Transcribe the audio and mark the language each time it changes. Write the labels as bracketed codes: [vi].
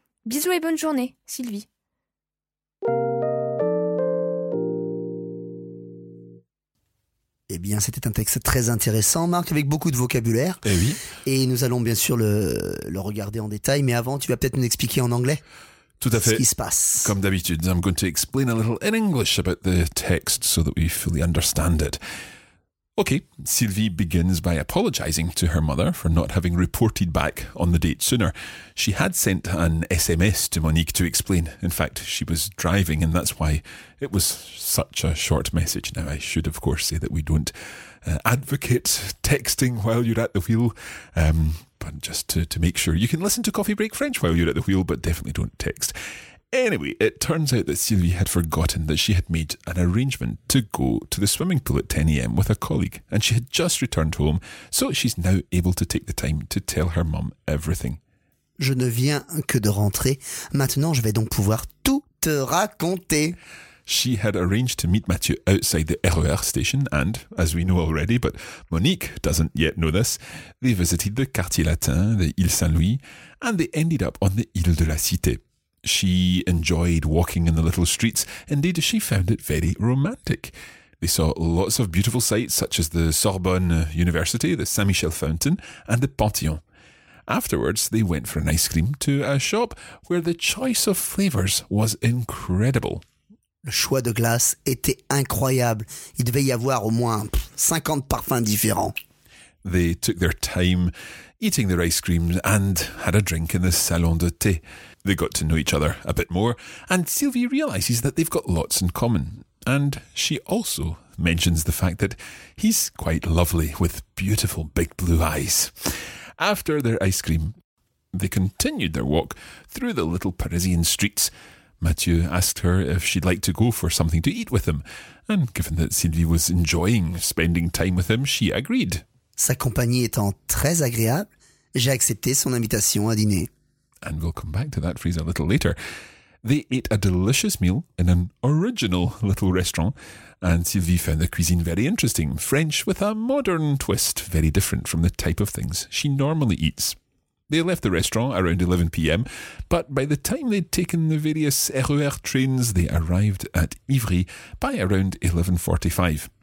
[fr] Bisous et bonne journée, Sylvie. Eh bien, c'était un texte très intéressant, Marc, avec beaucoup de vocabulaire. Eh oui. Et nous allons bien sûr le regarder en détail. Mais avant, tu vas peut-être nous expliquer en anglais. Tout à fait. Ce qui se passe. Comme d'habitude, [en] I'm going to explain a little in English about the text so that we fully understand it. Okay, Sylvie begins by apologizing to her mother for not having reported back on the date sooner. She had sent an SMS to Monique to explain. In fact, she was driving and that's why it was such a short message. Now, I should, of course, say that we don't advocate texting while you're at the wheel, but just to make sure. You can listen to Coffee Break French while you're at the wheel, but definitely don't text. Anyway, it turns out that Sylvie had forgotten that she had made an arrangement to go to the swimming pool at 10 a.m. with a colleague, and she had just returned home, so she's now able to take the time to tell her mum everything. [fr] Je ne viens que de rentrer. Maintenant, je vais donc pouvoir tout te raconter. [en] She had arranged to meet Mathieu outside the RER station, and, as we know already, but Monique doesn't yet know this, they visited the Quartier Latin, the Île Saint-Louis, and they ended up on the Île de la Cité. She enjoyed walking in the little streets. Indeed, she found it very romantic. They saw lots of beautiful sights, such as the Sorbonne University, the Saint-Michel Fountain, and the Panthéon. Afterwards, they went for an ice cream to a shop where the choice of flavours was incredible. [fr] Le choix de glace était incroyable. Il devait y avoir au moins 50 parfums différents. [en] They took their time eating their ice cream and had a drink in the salon de thé. They got to know each other a bit more, and Sylvie realises that they've got lots in common. And she also mentions the fact that he's quite lovely, with beautiful big blue eyes. After their ice cream, they continued their walk through the little Parisian streets. Mathieu asked her if she'd like to go for something to eat with him, and given that Sylvie was enjoying spending time with him, she agreed. [fr] Sa compagnie étant très agréable, j'ai accepté son invitation à dîner. [en] And we'll come back to that phrase a little later. They ate a delicious meal in an original little restaurant, and Sylvie found the cuisine very interesting, French with a modern twist, very different from the type of things she normally eats. They left the restaurant around 11 p.m, but by the time they'd taken the various RER trains, they arrived at Ivry by around 11:45.